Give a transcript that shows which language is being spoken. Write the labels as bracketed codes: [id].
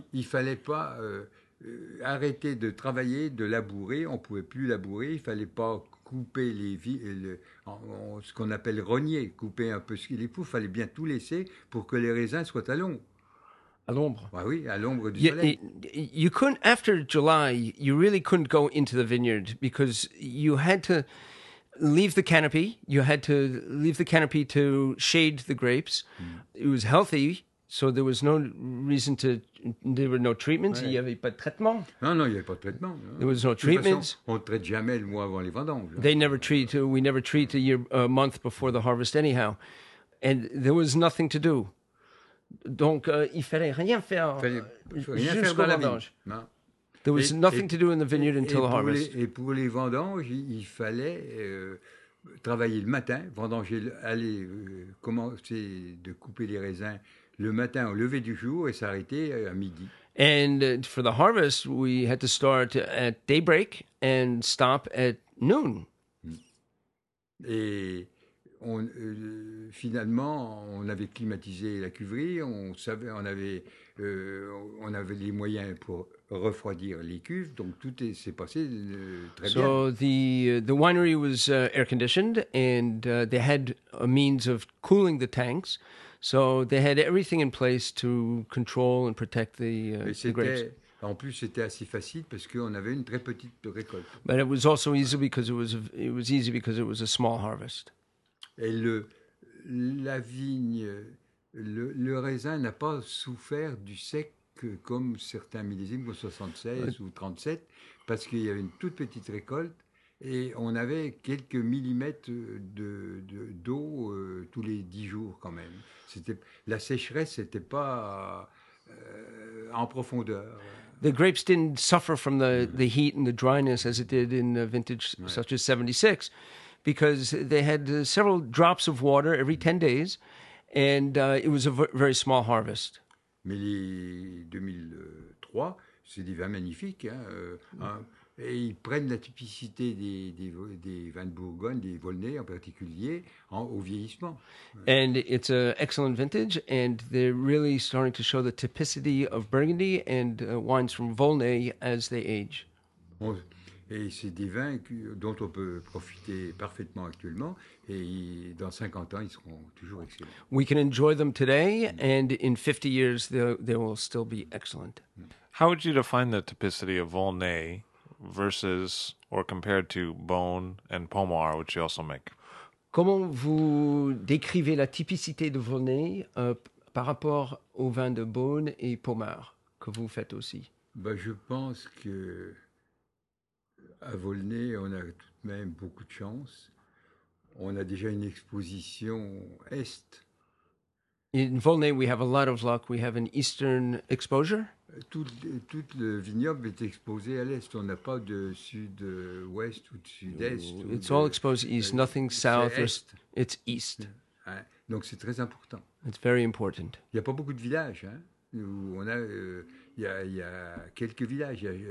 [fr] Il ne fallait pas... arrêter de travailler, de labourer, on ne pouvait plus labourer, il ne fallait pas couper ce qu'on appelle rogner, couper un peu ce qu'il faut, il fallait bien tout laisser pour que les raisins soient à l'ombre. À l'ombre. Ouais, oui, à l'ombre du soleil. [en] You couldn't, after July, you really couldn't go into the vineyard because you had to leave the canopy, you had to leave the canopy to shade the grapes. Mm. It was healthy. So there was no reason to. There were no treatments. [fr] Ouais. Il y avait pas de traitement. Non, il y avait pas de traitement. [en] There was no treatments. [fr] De toute façon, on traite jamais le mois avant les vendanges. [en] They never treat. We never treat a month before the harvest anyhow, and there was nothing to do. [fr] Donc il fallait rien faire. Jusqu'aux vendanges. [en] There was nothing to do in the vineyard until the harvest. [fr] Et pour les vendanges, il fallait travailler le matin, vendanger, aller commencer de couper les raisins. Le matin au lever du jour et s'arrêter à midi. [en] And for the harvest, we had to start at daybreak and stop at noon. Mm. [fr] Et on, finalement, on avait climatisé la cuverie, on avait les moyens pour refroidir les cuves, donc tout s'est passé très bien. [en] So the winery was air conditioned and they had a means of cooling the tanks. So they had everything in place to control and protect the grapes. [fr] En plus, c'était assez facile parce qu'on avait une très petite récolte. [en] But it was also easy because it was a small harvest. [fr] Et la vigne, le raisin n'a pas souffert du sec comme certains millésimes en 76 ou 37 parce qu'il y avait une toute petite récolte et on avait quelques millimètres d'eau tous les 10 jours quand même. C'était la sécheresse n'était pas en profondeur. [en] The grapes didn't suffer from the heat and the dryness as it did in a vintage such as 76 because they had several drops of water every 10 days and it was a very small harvest. [fr] Mais les 2003, c'est des vins magnifiques. Et ils prennent la typicité des vins de Bourgogne, des Volnay en particulier, au vieillissement. [en] And it's an excellent vintage, and they're really starting to show the typicity of Burgundy and wines from Volnay as they age. [fr] Bon, et c'est des vins dont on peut profiter parfaitement actuellement, et dans 50 ans, ils seront toujours excellents. [en] We can enjoy them today, and in 50 years, they will still be excellent. How would you define the typicity of Volnay versus or compared to Beaune and Pommard, which you also make? [fr] Comment vous décrivez la typicité de Volnay par rapport au vin de Beaune et Pommard que vous faites aussi? Ben, je pense que à Volnay, on a tout de même beaucoup de chance. On a déjà une exposition est. [en] In Volnay, we have a lot of luck. We have an eastern exposure. [fr] Tout le vignoble est exposé à l'est. On n'a pas de sud-ouest ou de sud-est. [en] It's all exposed east. Nothing south. It's east. [fr] Donc c'est très important. [en] It's very important. [fr] Il n'y a pas beaucoup de villages. On a, il y a quelques villages.